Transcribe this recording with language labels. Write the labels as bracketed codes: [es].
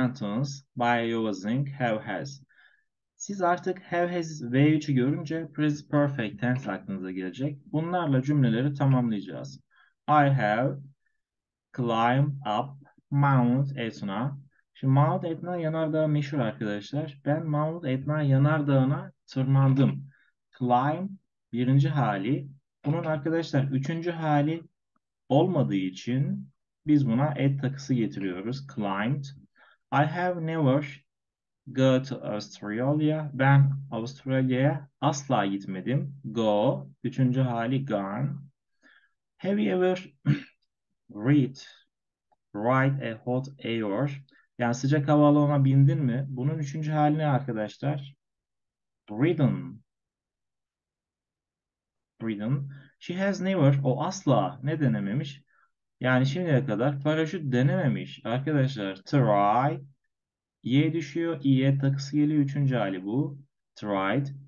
[en] The sentence by using have has. [tr] Siz artık have has V3'ü görünce present perfect tense aklınıza gelecek. Bunlarla cümleleri tamamlayacağız. [en] I have climbed up Mount Etna. [tr] Şimdi Mount Etna yanardağı meşhur arkadaşlar. Ben Mount Etna yanardağına tırmandım. Climb birinci hali. Bunun arkadaşlar üçüncü hali olmadığı için biz buna et takısı getiriyoruz. [en] Climbed. I have never go to Australia. [tr] Ben Avustralya'ya asla gitmedim. Go. Üçüncü hali gone. [en] Have you ever ride a hot air? [tr] Yani sıcak havalı ona bindin mi? Bunun üçüncü hali ne arkadaşlar? Ridden. [en] Ridden. She has never. [tr] O asla. Ne denememiş? Yani şimdiye kadar paraşüt denememiş arkadaşlar. Try. Y düşüyor. İ'ye takısı geliyor. Üçüncü hali bu. Tried.